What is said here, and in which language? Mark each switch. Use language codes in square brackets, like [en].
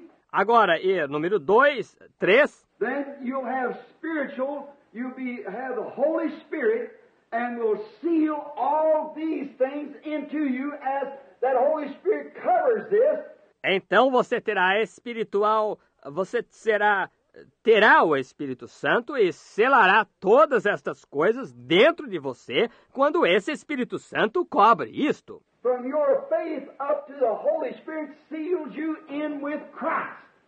[pt] Agora, e número dois, três. [en] Then you'll have spiritual, you'll be, have the Holy Spirit. And will seal all these things into you as that Holy Spirit covers this. [pt] Então você terá espiritual, você terá o Espírito Santo e selará todas estas coisas dentro de você quando esse Espírito Santo cobre isto. [en] From your faith up to the Holy Spirit seals you in with Christ.